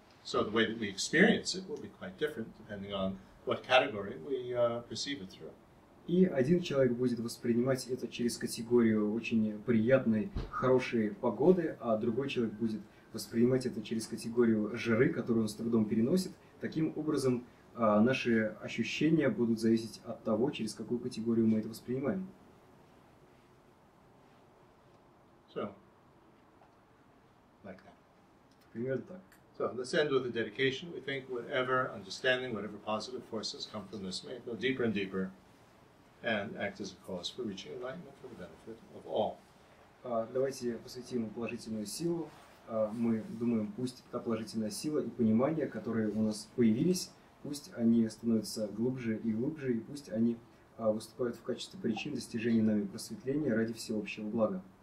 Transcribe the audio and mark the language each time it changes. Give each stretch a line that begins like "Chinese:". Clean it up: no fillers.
English: So the way that we experience it will be quite different depending on what category we perceive it through.
Russian: И один человек будет воспринимать это через категорию очень приятной, хорошей погоды, а другой человек будет воспринимать это через категорию жары, которую он с трудом переносит. Таким образом, наши ощущения будут зависеть от того, через какую категорию мы это воспринимаем.
English: So, like that.
Russian: Примерно так.
English: So, let's end with a dedication. We think whatever understanding, whatever positive forces come from this may go deeper and deeper and act as a cause for reaching enlightenment for the benefit of all.
Russian: Давайте посвятим положительную силу. Мы думаем, пусть та положительная сила и понимание, которые у нас появились, пусть они становятся глубже и глубже, и пусть они выступают в качестве причин достижения нами просветления ради всеобщего блага.